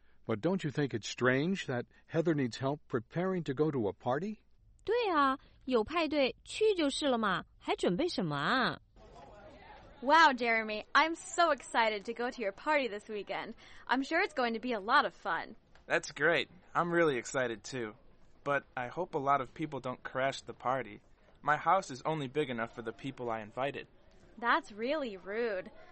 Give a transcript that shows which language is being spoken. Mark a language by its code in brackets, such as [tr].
[en] But don't you think it's strange that Heather needs help preparing to go to a party? [zh] 对啊，有派对去就是了嘛，还准备什么啊？ [en] Wow, Jeremy, I'm so excited to go to your party this weekend. I'm sure it's going to be a lot of fun. That's great. I'm really excited, too. But I hope a lot of people don't crash the party. My house is only big enough for the people I invited. That's really rude.